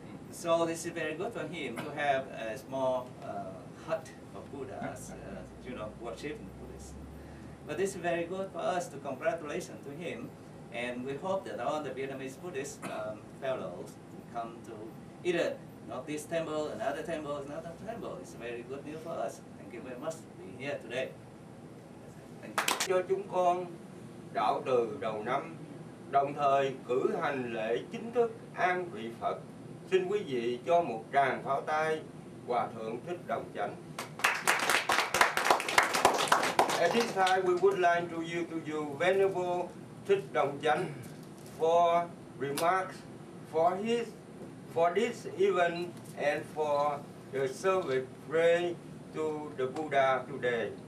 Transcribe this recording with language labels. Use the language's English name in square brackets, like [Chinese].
[English] So this is very good for him to have a small hut for Buddhas, you know, worshiping Buddhists. But this is very good for us to congratulate to him, and we hope that all the Vietnamese Buddhist fellows come to either not this temple, another temple, another temple. It's very good news for us. Thank you very much. Yeah, today. [Vietnamese] Cho chúng con đạo từ đầu năm, đồng thời cử hành lễ chính thức an vị Phật. Xin quý vị cho một tràng pháo tay, Hòa Thượng Thích Đồng Chánh. [English] At this time, we would like to you to you, Venerable Thích Đồng Chánh, for remarks, for this event and for the service pray to the Buddha today.